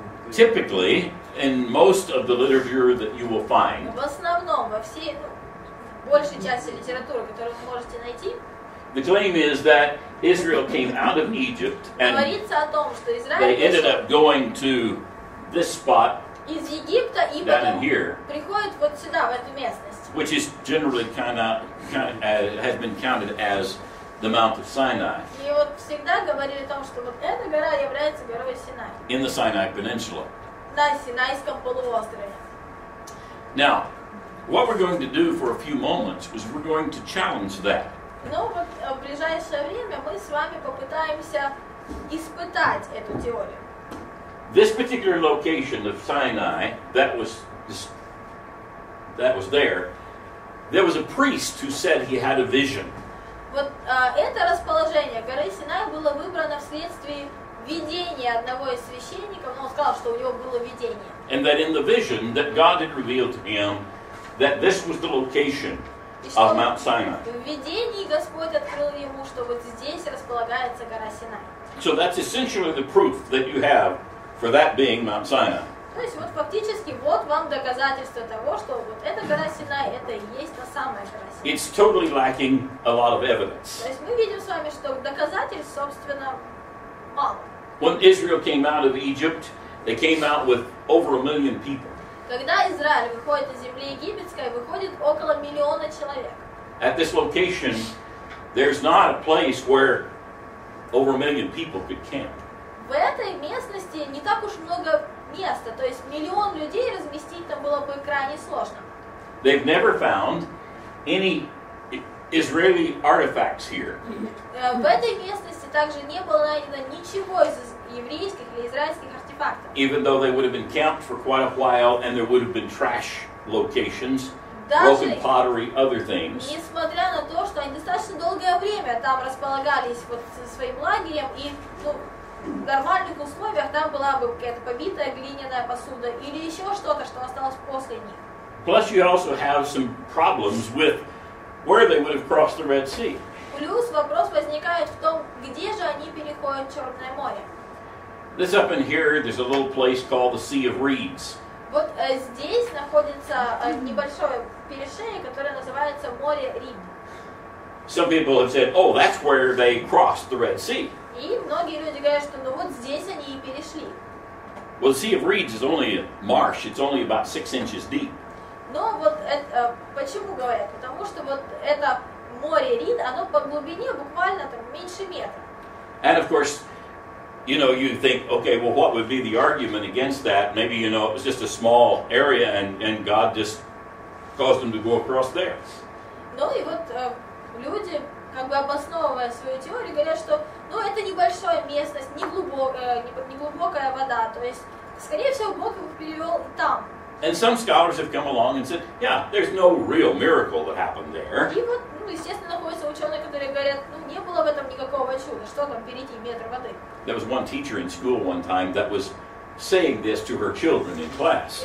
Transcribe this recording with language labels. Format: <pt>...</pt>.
<en>Typically, in most of the literature that you will find,</en> <ru>в основном, большей части литературы, которую вы можете найти,</ru> <en>the claim is that Israel came out of Egypt and</en> <ru>говорится о том, что Израиль</ru> <en>they ended up going to this spot</en> <ru>из Египта и</ru> <en>down</en> <ru>потом</ru> <en>here,</en> <ru>приходит вот сюда, в эту местность,</ru> <en>which is generally kind of has been counted as the Mount of Sinai.</en> <ru>И вот всегда говорили о том, что вот эта гора является горой Синай.</ru> <en>In the Sinai Peninsula.</en> <ru>На Синайском полуострове.</ru> <en>Now, what we're going to do for a few moments is we're going to challenge that.</en> <ru>Но вот в ближайшее время мы с вами попытаемся испытать эту теорию.</ru> <en>This particular location of Sinai that was there was a priest who said he had a vision.</en> <ru>Вот это расположение горы Синай было выбрано вследствие видения одного из священников, но он сказал, что у него было видение.</ru> <en>And that in the vision that God had revealed to him that this was the location of Mount Sinai.</en> <ru>В видении Господь открыл ему, что вот здесь располагается гора Синай.</ru> <en>So that's essentially the proof that you have for that being Mount Sinai.</en> <ru>То есть вот фактически вот вам доказательство того, что вот эта гора Синай, это и есть та самая гора Синай.</ru> <en>It's totally lacking a lot of evidence.</en> <ru>То есть мы видим с вами, что доказательств, собственно, мало.</ru> <en>When Israel came out of Egypt, they came out with over 1 million people.</en> <ru>Когда Израиль выходит из земли египетской, выходит около миллиона человек.</ru> <en>At this location, there's not a place where over 1 million people could camp.</en> <ru>В этой местности не так уж много места, то есть миллион людей разместить там было бы крайне сложно.</ru> <en>They've never found any Israeli artifacts here.</en> <ru>В этой местности также не было найдено ничего из еврейских или израильских артефактов. фактор.</ru> <en>Even though they would have been camped for quite a while and there would have been trash locations, broken pottery, other things.</en> <ru>Несмотря на то, что они достаточно долгое время там располагались вот со своим лагерем и ну, в нормальных условиях там была бы какая-то побитая глиняная посуда или еще что-то, что осталось после них.</ru> <en>Plus you also have some problems with where they would have crossed the Red Sea.</en> <ru>Плюс вопрос возникает в том, где же они переходят Черное море.</ru> <en>This up in here, there's a little place called the Sea of Reeds.</en> <ru>Вот здесь находится небольшое перешение, которое называется море Рид.</ru> <en>Some people have said, oh, that's where they crossed the Red Sea.</en> <ru>И многие люди говорят, что ну вот здесь они и перешли.</ru> <en>Well, the Sea of Reeds is only a marsh. It's only about 6 inches deep.</en> <ru>Но вот это, почему говорят? Потому что вот это море Рид, оно по глубине буквально там меньше метра.</ru> <en>And of course, you know, you think, okay, well, what would be the argument against that? Maybe, you know, it was just a small area and God just caused them to go across there.</en> <ru>Ну и вот люди, как бы обосновывая свою теорию, говорят, что, ну, это небольшая местность, неглубокая вода. То есть, скорее всего, Бог их перевел там.</ru> <en>And some scholars have come along and said, yeah, there's no real miracle that happened there.</en> <ru>И вот, ну, естественно, находятся ученые, которые говорят, ну, не было в этом никакого чуда, что там перейти метр воды.</ru> <en>There was one teacher in school one time that was saying this to her children in class.</en>